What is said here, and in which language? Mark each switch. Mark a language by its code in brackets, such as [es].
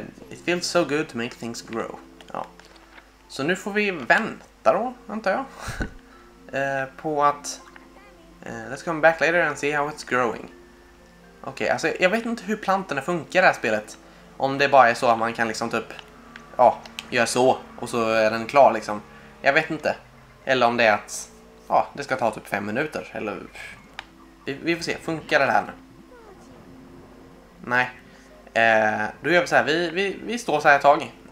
[en] It feels so good to make things grow. [sv] Ja. Så nu får vi vänta då, antar jag. på att... [en] let's come back later and see how it's growing. [sv] Okej, okay, alltså jag vet inte hur plantorna funkar i det här spelet. Om det bara är så att man kan liksom typ... Ja, gör så. Och så är den klar liksom. Jag vet inte. Eller om det är att... Ja, det ska ta typ 5 minuter. Eller... Vi får se. Funkar det här nu? Nej. Då gör vi så här. Vi står så här ett tag.